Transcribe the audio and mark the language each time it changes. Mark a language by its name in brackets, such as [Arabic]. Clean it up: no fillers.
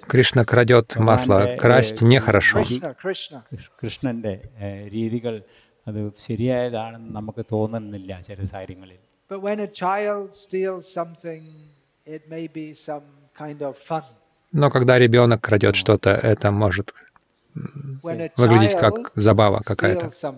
[Russian] Кришна крадёт масло, красть нехорошо. [English] Krishna. [Malayalam] Кришнанде രീതികള്‍ അത് ശരിയായതാണെന്ന് നമുക്ക് തോന്നുന്നില്ല ചില സാരിങ്ങളിൽ. [English] But when a child steals something, it may be some kind of fun. [Russian] Но когда ребенок крадет что-то, это может выглядеть как забава какая-то.